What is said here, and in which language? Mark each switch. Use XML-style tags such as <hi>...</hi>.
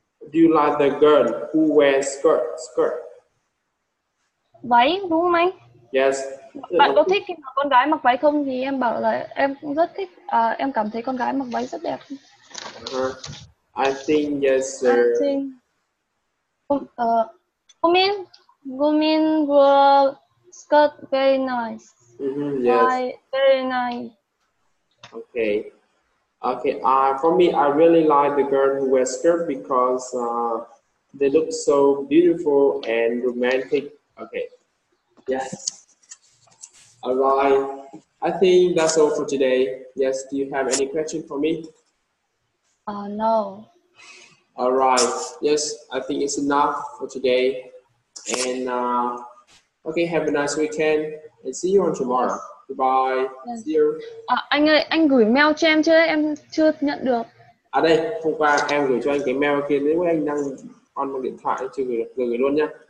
<en>Do you like the girl who wears skirt?</en> <vi>Váy đúng không anh?</vi> <en>Yes.</en> <vi>Bạn có thích khi mà con gái mặc váy không? Thì em bảo là em cũng rất thích. Em cảm thấy con gái mặc váy rất đẹp.</vi> <en>I think yes, sir. I think. Women wear skirt very nice. Yes. Very nice. Okay. Okay. For me, I really like the girl who wears skirt because they look so beautiful and romantic. Okay. Yes. All right. I think that's all for today. Yes. Do you have any question for me? No. All right. Yes. I think it's enough for today. And okay. Have a nice weekend and see you on tomorrow. Goodbye. Yes. See you.</en> <vi>Anh ơi, anh gửi mail cho em chưa? Em chưa nhận được. Đây. Hôm qua em gửi cho anh cái mail kia. Nếu anh đang on điện thoại, chưa gửi được, gửi luôn nhá.</vi>